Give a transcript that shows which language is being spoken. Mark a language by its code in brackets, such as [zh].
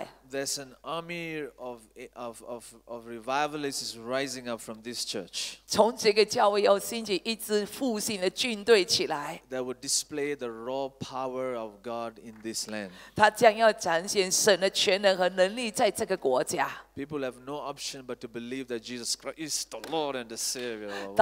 [en] There's an army of revivalists rising up from this church. [zh] 从这个教会要兴起一支复兴的军队起来。 [en] That would display the raw power of God in this land. [zh] 他将要展现神的全能和能力在这个国家。 [en] People have no option but to believe that Jesus Christ is the Lord and the Savior.